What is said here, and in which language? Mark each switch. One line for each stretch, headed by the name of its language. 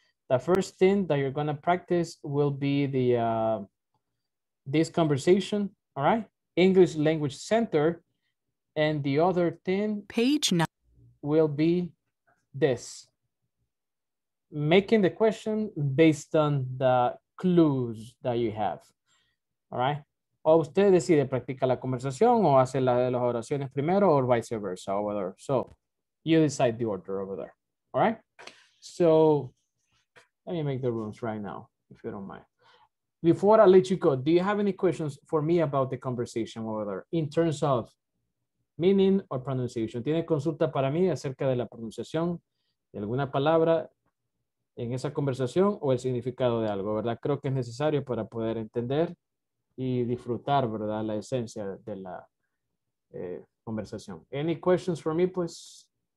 English: The first thing that you're going to practice will be the this conversation, all right? English Language Center. And the other thing page nine will be this. Making the question based on the clues that you have. All right.
Spanish: O usted decide practicar la conversación o hace la de las oraciones primero
English: or vice versa. Whatever. So you decide the order over there. All right. So let me make the rooms right now, if you don't mind. Before I let you go, do you have any questions for me about the conversation over there in terms of meaning or pronunciation?
Spanish: ¿Tiene consulta para mí acerca de la pronunciación de alguna palabra en esa conversación o el significado de algo, verdad? Creo que es necesario para poder entender y disfrutar, verdad, la esencia de la conversación.
English: Any questions for me, pues?